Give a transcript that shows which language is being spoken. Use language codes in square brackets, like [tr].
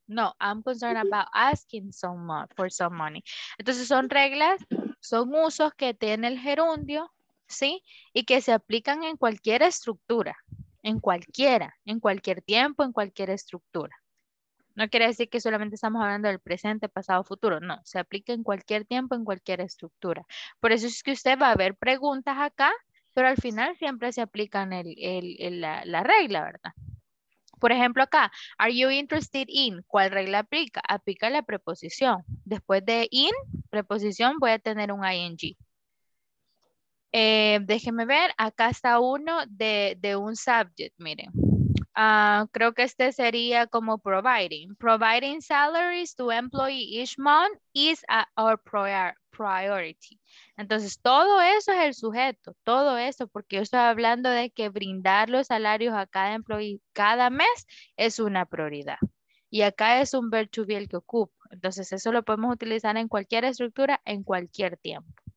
[en] No, I'm concerned about asking someone for some money. [es] Entonces son reglas, son usos que tiene el gerundio, ¿sí? Y que se aplican en cualquier estructura, en cualquier tiempo, en cualquier estructura. No quiere decir que solamente estamos hablando del presente, pasado, futuro. No, se aplica en cualquier tiempo, en cualquier estructura. Por eso es que usted va a ver preguntas acá, pero al final siempre se aplica en la regla, ¿verdad? Por ejemplo acá, [en] are you interested in, [es] ¿cuál regla aplica? Aplica la preposición. Después de in, preposición, voy a tener un ing. Déjenme ver, acá está uno de un subject, miren. Creo que este sería como providing. [en] Providing salaries to employee each month is our priority. [es] Entonces, todo eso es el sujeto, todo eso, porque yo estoy hablando de que brindar los salarios a cada employee cada mes es una prioridad. Y acá es un verb to be el que ocupo. Entonces, eso lo podemos utilizar en cualquier estructura, en cualquier tiempo.